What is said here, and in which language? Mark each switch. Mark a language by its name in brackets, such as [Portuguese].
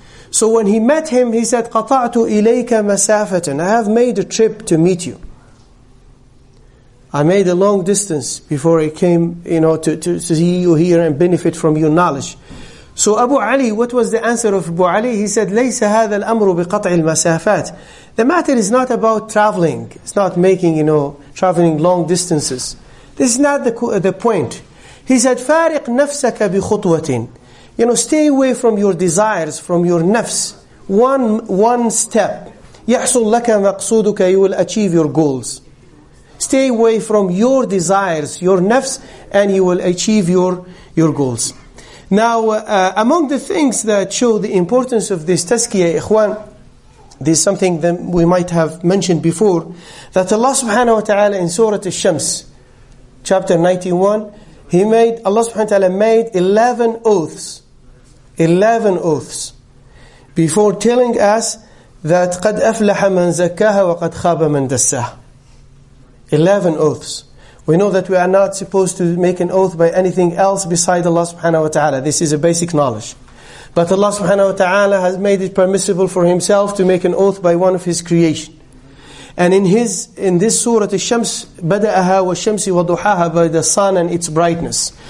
[English] So when he met him, he said, [Arabic] قَطَعْتُ إِلَيْكَ مَسَافَةً. [English] I have made a trip to meet you. I made a long distance before I came, you know, to see you here and benefit from your knowledge. So Abu Ali, what was the answer of Abu Ali? He said, [Arabic] لَيْسَ هَذَا الْأَمْرُ بِقَطْعِ الْمَسَافَاتِ. [English] The matter is not about traveling. It's not making, you know, traveling long distances. This is not the point. He said, [Arabic] فَارِقْ نَفْسَكَ بِخُطْوَةٍ. [English] You know, stay away from your desires, from your nafs. One step. [Arabic] يَحْصُلْ لَكَ مَقْصُودُكَ. [English] You will achieve your goals. Stay away from your desires, your nafs, and you will achieve your goals. Now, among the things that show the importance of this tazkiyah, ikhwan, this is something that we might have mentioned before, that Allah subhanahu wa ta'ala in Surah Al-Shams, chapter 91, Allah subhanahu wa ta'ala made 11 oaths. 11 oaths. Before telling us that [Arabic] قَدْ أَفْلَحَ مَنْ زَكَّهَا وَقَدْ خَابَ مَنْ دَسَّهَا. [English] 11 oaths. We know that we are not supposed to make an oath by anything else beside Allah subhanahu wa ta'ala. This is a basic knowledge. But Allah subhanahu wa ta'ala has made it permissible for Himself to make an oath by one of His creation. And in this surah, [Arabic] الشمس بدأها والشمس وضحاها, [English] by the sun and its brightness.